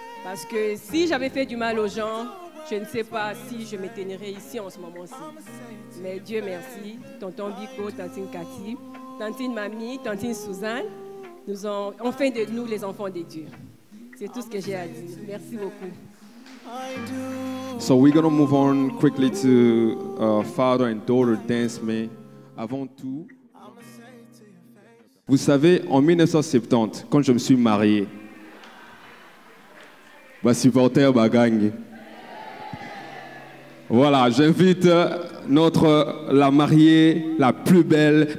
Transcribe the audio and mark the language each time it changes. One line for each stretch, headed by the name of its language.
French: Parce que si j'avais fait du mal aux gens, je ne sais pas si je m'éteindrais ici en ce moment-ci. Mais Dieu merci. Tonton Biko, tantine Cathy, tantine Mamie, tantine Suzanne, nous ont enfin de nous les enfants de Dieu. C'est tout ce que j'ai à dire. Merci beaucoup.
English: So we're going to move on quickly to father and daughter dance.
French: Mais avant tout, vous savez, en 1970, quand je me suis marié, ma supporter, ma gang. Voilà, j'invite notre la mariée la plus belle.